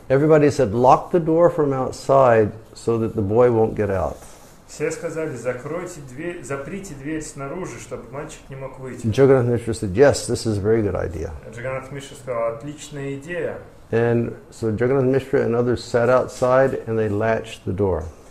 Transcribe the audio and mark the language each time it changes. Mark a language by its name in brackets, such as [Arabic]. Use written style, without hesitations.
[English] Everybody said, lock the door from outside so that the boy won't get out. [Russian] Все сказали, закройте дверь, заприте дверь снаружи, чтобы мальчик не мог выйти. [English] Jagannath Mishra said, yes, this is a very good idea. [Russian] Jagannath Mishra сказал, отличная идея. [English] And so Jagannath Mishra and others sat outside and they latched the door.